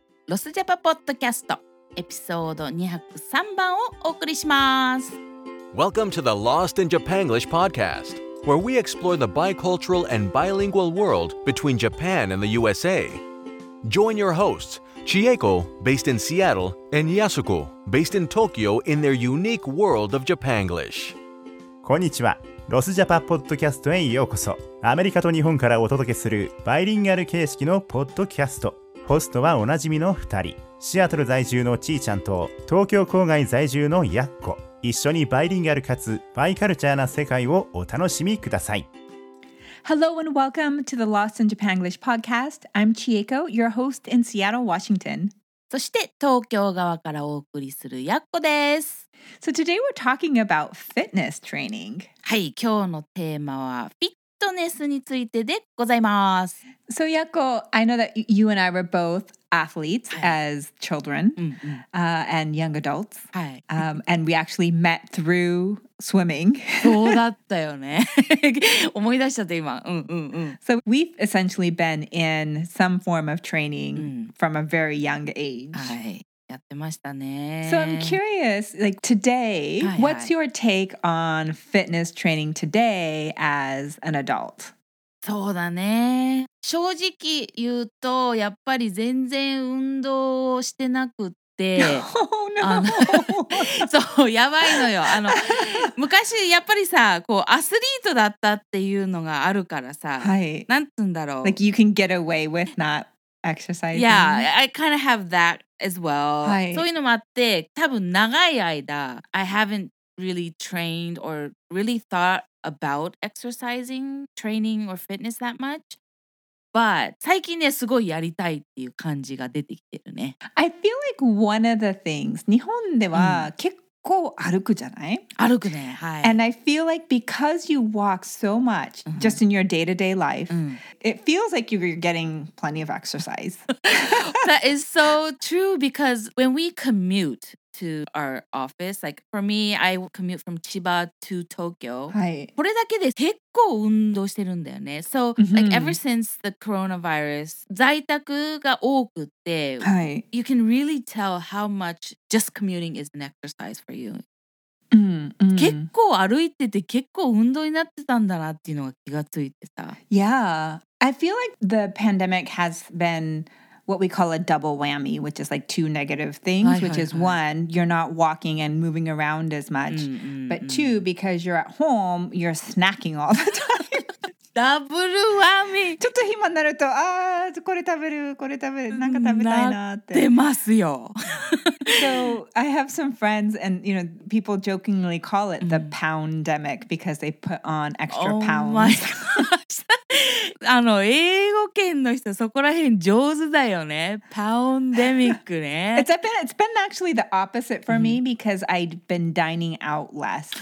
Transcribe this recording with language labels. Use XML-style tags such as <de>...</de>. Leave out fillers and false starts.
<ja>ロスジャパポッドキャスト、エピソード203番をお送りします。</ja> <en>Welcome to the Lost in Japan English podcast, where we explore the bicultural and bilingual world between Japan and the USA. Join your hosts, Chieko, based in Seattle, and Yasuko, based in Tokyo, in their unique world of Japanglish.</en> <ja>こんにちは。ロスジャパポッドキャストへようこそ。アメリカと日本からお届けするバイリンガル形式のポッドキャスト。ホストはおなじみの2人、シアトル在住のちーちゃんと東京郊外在住のやっこ。一緒にバイリンガルかつバイカルチャーな世界をお楽しみください。</ja> <en>Hello and welcome to the Lost in Japan English podcast. I'm Chieko, your host in Seattle, Washington.</en> <ja>そして東京側からお送りするやっこです。</ja> <en>So today we're talking about fitness training.</en> <ja>はい、今日のテーマはフィットネスについてでございます。</ja> <en>So Yako, I know that you and I were both athletes as children and young adults. And we actually met through swimming.</en> <ja>そうだったよね。思い出しちゃった今。</ja> <en>So we've essentially been in some form of training from a very young age.</en> <ja>はい。やってましたね。</ja> <en>So I'm curious, like today, what's your take on fitness training today as an adult?</en> <ja>そうだね。正直言うと、やっぱり全然運動をしてなくって。</ja> <en>Oh, no!</en> <ja>そう、やばいのよ。あの、昔やっぱりさ、こうアスリートだったっていうのがあるからさ、はい、なんつんだろう。</ja> <en>Like you can get away with not exercising. Yeah, I kind of have that. As well.、</en> <ja>はい、そういうのもあって、多分長い間、</ja> <en>I haven't really trained or really thought about exercising, training or fitness that much. But</en> <ja>最近ね、すごいやりたいっていう感じが出てきてるね。</ja> <en>I feel like one of the things,</en> <ja>日本では結構歩くじゃない? 歩くね、はい。</ja> <en>And I feel like because you walk so much, just in your day-to-day life,、it feels like you're getting plenty of exercise. That is so true because when we commute to our office, like for me, I commute from Chiba to Tokyo.</en> <ja>これだけで結構運動してるんだよね。</ja> <en>So, like ever since the coronavirus,</en> <ja>在宅が多くて、</ja> <en>you can really tell how much just commuting is an exercise for you.</en> <ja>結構歩いてて結構運動になってたんだなっていうのが気がついてさ。</ja> <en>Yeah, I feel like the pandemic has been... what we call a double whammy, which is like two negative things, which is one, you're not walking and moving around as much, but two, because you're at home, you're snacking all the time. Double whammy!</en> <ja>ちょっと暇になると、あー、これ食べる、これ食べる、なんか食べたいなって。なってますよ。</ja> <en>So, I have some friends and, you know, people jokingly call it the poundemic because they put on extra pounds. Oh my gosh.</en> <ja>あの、英語圏の人そこら辺上手だよね。パウンデミックね。</ja> <en>It's been actually the opposite for me because I'd been dining out less.</en>